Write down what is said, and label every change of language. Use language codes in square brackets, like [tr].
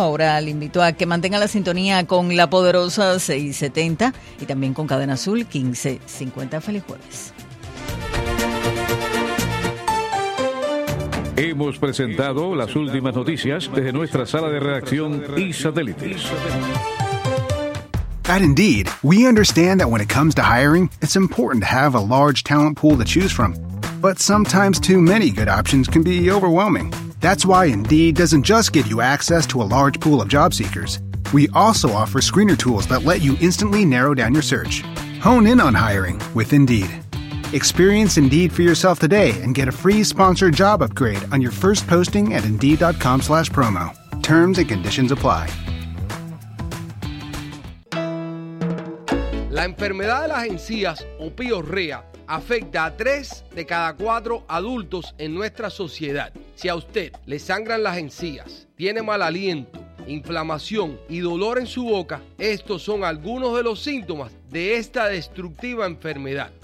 [es] Ahora le invito a que mantenga la sintonía con La Poderosa 670 y también con Cadena Azul 1550. Feliz jueves. Hemos presentado las últimas noticias desde nuestra sala de redacción y satélites. [en] At Indeed, we understand that when it comes to hiring, it's important to have a large talent pool to choose from. But sometimes too many good options can be overwhelming. That's why Indeed doesn't just give you access to a large pool of job seekers. We also offer screener tools that let you instantly narrow down your search. Hone in on hiring with Indeed. Experience Indeed for yourself today and get a free sponsored job upgrade on your first posting at indeed.com/promo. Terms and conditions apply. [es] La enfermedad de las encías o piorrea afecta a 3 de cada 4 adultos en nuestra sociedad. Si a usted le sangran las encías, tiene mal aliento, inflamación y dolor en su boca, estos son algunos de los síntomas de esta destructiva enfermedad.